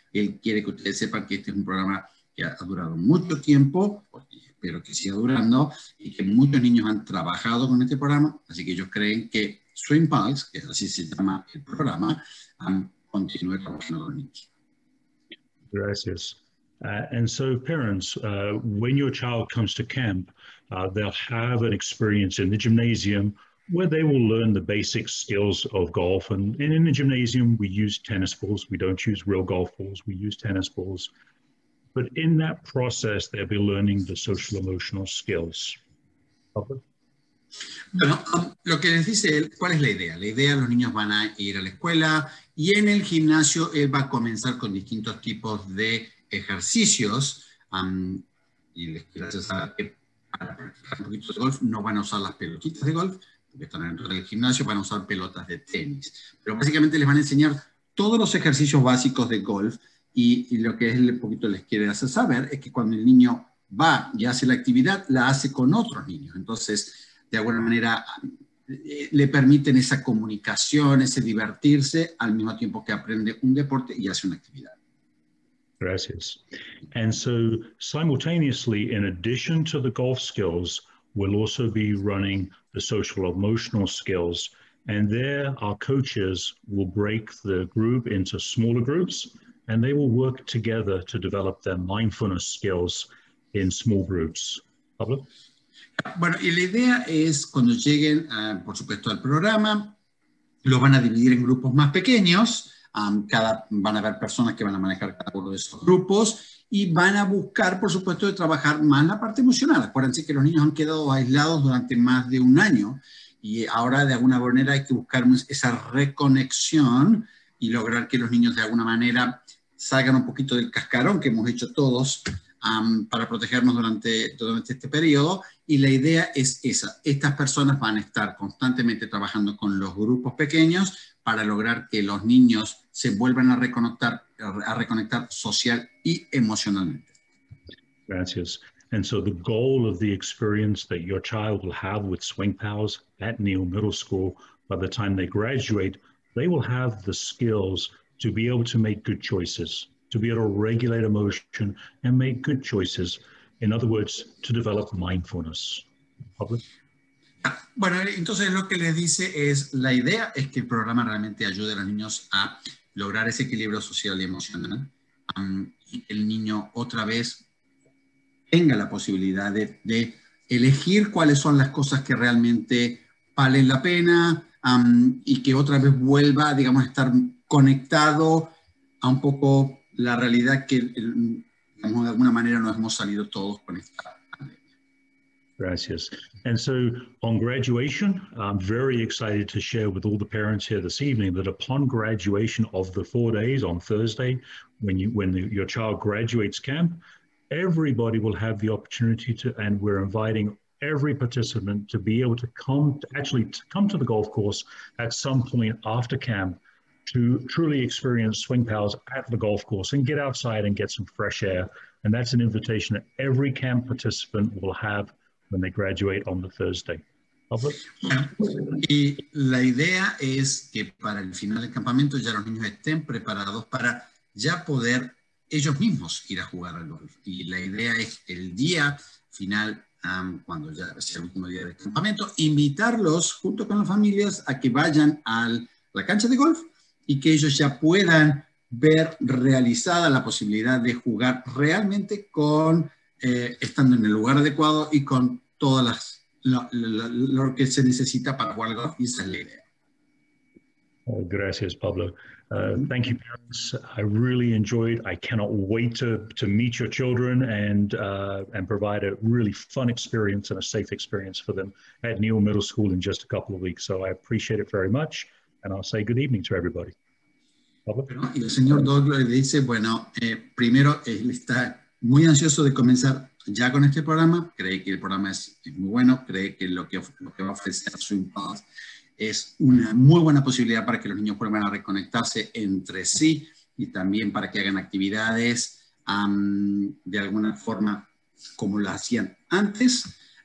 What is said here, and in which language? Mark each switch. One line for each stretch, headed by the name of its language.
Spanish: Él quiere que ustedes sepan que este es un programa que ha durado mucho tiempo, espero que siga durando, y que muchos niños han trabajado con este programa, así que ellos creen que Swing Pulse, que así se llama el programa, continúe trabajando con niños. Gracias.
English: And so parents, when your child comes to camp, they'll have an experience in the gymnasium where they will learn the basic skills of golf. And in the gymnasium, we use tennis balls. We don't use real golf balls. We use tennis balls. But in that process, they'll be learning the social emotional skills.
Spanish: Bueno, lo que les dice él, ¿cuál es la idea? La idea, los niños van a ir a la escuela y en el gimnasio él va a comenzar con distintos tipos de ejercicios. Y gracias a que para practicar un poquito de golf, no van a usar las pelotitas de golf, que están dentro del gimnasio, van a usar pelotas de tenis. Pero básicamente les van a enseñar todos los ejercicios básicos de golf y lo que él un poquito les quiere hacer saber es que cuando el niño va y hace la actividad, la hace con otros niños. Entonces, de alguna manera, le permiten esa comunicación, ese divertirse, al mismo tiempo que aprende un deporte y hace una actividad. Gracias.
English: And so, simultaneously, in addition to the golf skills, we'll also be running the social emotional skills, and there our coaches will break the group into smaller groups and they will work together to develop their mindfulness skills in small groups. Pablo?
Spanish: Bueno, y la idea es cuando lleguen, por supuesto, al programa, lo van a dividir en grupos más pequeños, van a haber personas que van a manejar cada uno de esos grupos. Y van a buscar, por supuesto, de trabajar más la parte emocional. Acuérdense que los niños han quedado aislados durante más de un año y ahora de alguna manera hay que buscar esa reconexión y lograr que los niños de alguna manera salgan un poquito del cascarón que hemos hecho todos para protegernos durante todo este periodo. Y la idea es esa. Estas personas van a estar constantemente trabajando con los grupos pequeños para lograr que los niños se vuelvan a reconectar social y emocionalmente. Gracias.
English: And so the goal of the experience that your child will have with Swing Pals at Neal Middle School, by the time they graduate, they will have the skills to be able to make good choices, to be able to regulate emotion and make good choices. In other words, to develop mindfulness. Public.
Spanish: Bueno, entonces lo que le dice es, la idea es que el programa realmente ayude a los niños a lograr ese equilibrio social y emocional, y que el niño otra vez tenga la posibilidad de elegir cuáles son las cosas que realmente valen la pena, y que otra vez vuelva, digamos, a estar conectado a un poco la realidad que, digamos, de alguna manera nos hemos salido todos con esta. Gracias.
English: And so on graduation, I'm very excited to share with all the parents here this evening that upon graduation of the 4 days on Thursday, when your child graduates camp, everybody will have the opportunity to, and we're inviting every participant to be able to come, to come to the golf course at some point after camp to truly experience Swing Pals at the golf course and get outside and get some fresh air. And that's an invitation that every camp participant will have when they graduate on the Thursday.
Spanish: Y la idea es que para el final del campamento ya los niños estén preparados para ya poder ellos mismos ir a jugar al golf. Y la idea es el día final, cuando ya sea el último día del campamento, invitarlos junto con las familias a que vayan a la cancha de golf y que ellos ya puedan ver realizada la posibilidad de jugar realmente con, estando en el lugar adecuado y con todas las lo que se necesita para jugar golf, y esa es la idea. Gracias,
English: Pablo. Thank you, parents. I really enjoyed. I cannot wait to meet your children and provide a really fun experience and a safe experience for them at Neal Middle School in just a couple of weeks. So I appreciate it very much, and I'll say good evening to everybody. Pablo.
Spanish: Pero, y el señor Douglas le dice, bueno, primero él está muy ansioso de comenzar ya con este programa. Cree que el programa es muy bueno. Cree que lo que va a ofrecer su paz es una muy buena posibilidad para que los niños puedan reconectarse entre sí y también para que hagan actividades de alguna forma como lo hacían antes,